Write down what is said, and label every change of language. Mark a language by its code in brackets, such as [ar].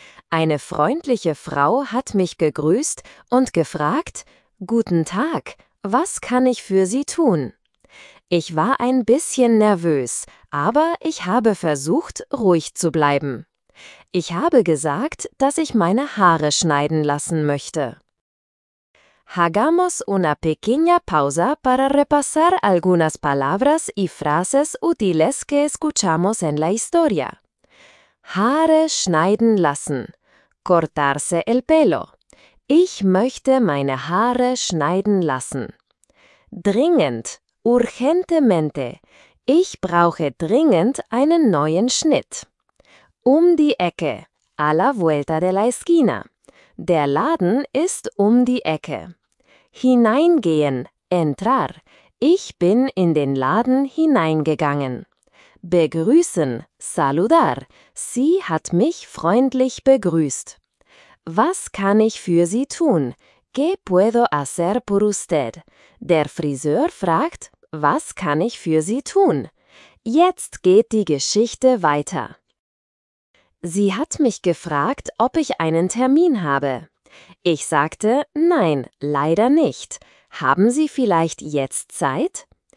[de] Eine freundliche Frau hat mich gegrüßt und gefragt: Guten Tag, was kann ich für Sie tun? Ich war ein bisschen nervös, aber ich habe versucht, ruhig zu bleiben. Ich habe gesagt, dass ich meine Haare schneiden lassen möchte. [es] Hagamos una pequeña pausa para repasar algunas palabras y frases útiles que escuchamos en la historia. [de] Haare schneiden lassen. [es] Cortarse el pelo. [de] Ich möchte meine Haare schneiden lassen. Dringend. [es] Urgentemente. [de] Ich brauche dringend einen neuen Schnitt. Um die Ecke. [es] A la vuelta de la esquina. [de] Der Laden ist um die Ecke. Hineingehen, [es] entrar. [de] Ich bin in den Laden hineingegangen. Begrüßen, [es] saludar. [de] Sie hat mich freundlich begrüßt. Was kann ich für Sie tun? [es] ¿Qué puedo hacer por usted? [de] Der Friseur fragt, was kann ich für Sie tun? Jetzt geht die Geschichte weiter. Sie hat mich gefragt, ob ich einen Termin habe. Ich sagte, nein, leider nicht. Haben Sie vielleicht jetzt Zeit?